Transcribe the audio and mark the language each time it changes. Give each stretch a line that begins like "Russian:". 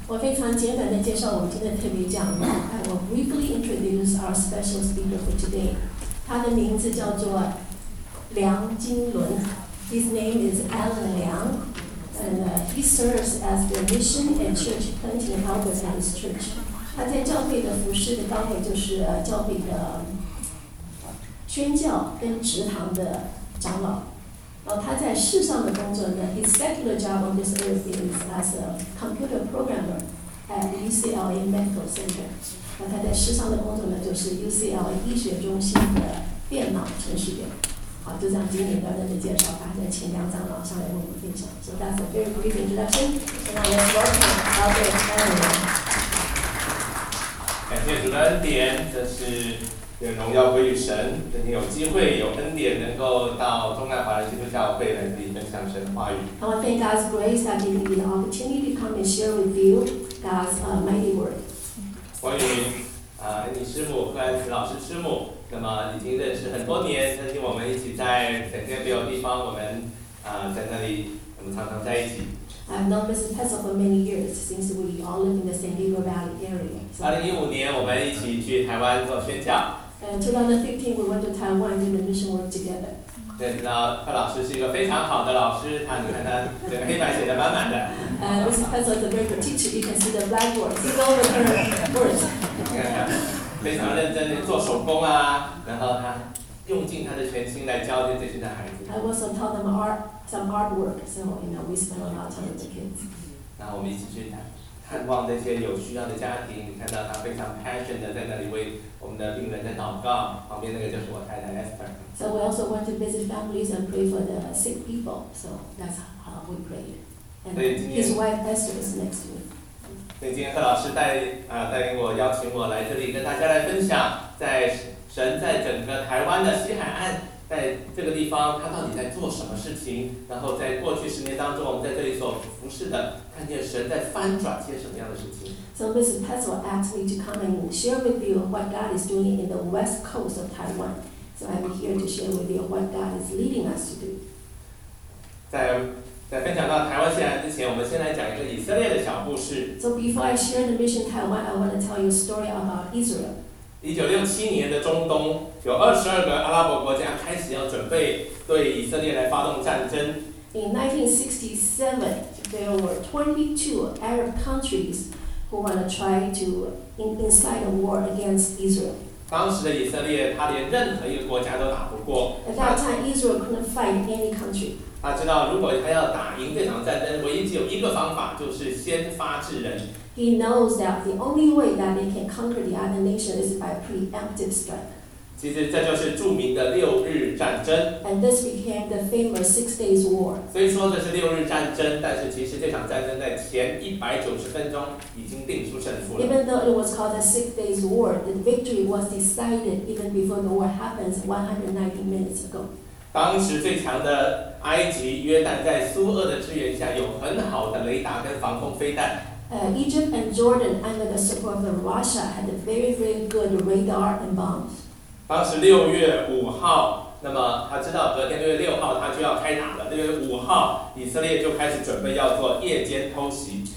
Chinese: 我非常简短地介绍我们今天的特别讲话。
English: I will briefly introduce our special speaker for today.
Chinese: 他的名字叫做梁金伦。
English: His name is Alan Liang, and he serves as the mission and church planting elder at his church.
Chinese: 他在教会的服事的岗位就是教会的宣教跟职堂的长老。他在世上的工作呢
English: ，his secular job on this earth is as a computer programmer at UCLA Medical Center。
Chinese: 他在世上的工作呢，就是 UCLA 医学中心的电脑程序员。好，就这样简简单单的介绍，大家请梁长老上来跟我们分享。
English: So that's a very brief introduction. So now let's welcome Albert Chan.
Chinese: 感谢主的恩典，这是也荣耀归于神，今天有机会有恩典能够到中南华人基督教会来这里分享神的话语。
English: I want to thank God's grace that gave me the opportunity to come and share with you God's mighty word.
Chinese: 欢迎恩妮师母和安慈老师师母，那么已经认识很多年，曾经我们一起在整个别的地方，我们在那里，我们常常在一起。
English: I've known Mrs. Tessel for many years since we all live in the San Diego Valley area.
Chinese: 2015年我们一起去台湾做宣教。
English: 2015, we went to Taiwan to do mission work together.
Chinese: 对，那贺老师是一个非常好的老师，他你看他整个黑板写得满满的。
English: Mrs. Tessel is a very good teacher. You can see the blackboard. See all of her words.
Chinese: 非常认真地做手工啊，然后他用尽他的全心来教这些的孩子。
English: I also taught them art. Some artwork, so you know we spend a lot of time with the kids.
Chinese: 然后我们一起去探望这些有需要的家庭，看到他非常 passion 的在那里为我们的病人在祷告。旁边那个就是我太太 Esther.
English: So we also went to visit families and pray for the sick people. So that's how we prayed. And his wife Esther is next to me.
Chinese: 所以今天贺老师带领我邀请我来这里跟大家来分享，在神在整个台湾的西海岸。在这个地方他到底在做什么事情，然后在过去十年当中我们在这里所服侍的看见神在翻转些什么样的事情。
English: So Mrs. Tessel asked me to come and share with you what God is doing in the west coast of Taiwan. So I'm here to share with you what God is leading us to do.
Chinese: 在分享到台湾西海岸之前，我们先来讲一个以色列的小故事。
English: So before I share the mission Taiwan, I want to tell you a story about Israel.
Chinese: 1967年的中东有22个阿拉伯国家开始要准备对以色列来发动战争。
English: In 1967, there were 22 Arab countries who want to try to incite a war against Israel.
Chinese: 当时的以色列，他连任何一个国家都打不过。
English: At that time, Israel couldn't fight any country.
Chinese: 他知道，如果他要打赢这场战争，唯一只有一个方法，就是先发制人。
English: He knows that the only way that they can conquer the other nation is by preemptive strike.
Chinese: 其实这就是著名的六日战争。
English: And this became the famous Six Days War.
Chinese: 所以说的是六日战争，但是其实这场战争在前190分钟已经定出胜负了。
English: Even though it was called the Six Days War, the victory was decided even before the war happens 190 minutes ago.
Chinese: 当时最强的埃及约旦在苏俄的支援下有很好的雷达跟防空飞弹。
English: Egypt and Jordan under the support of Russia had a very very good radar and bombs.
Chinese: 当时六月五号，那么他知道隔天六月六号他就要开打了。六月五号，以色列就开始准备要做夜间偷袭。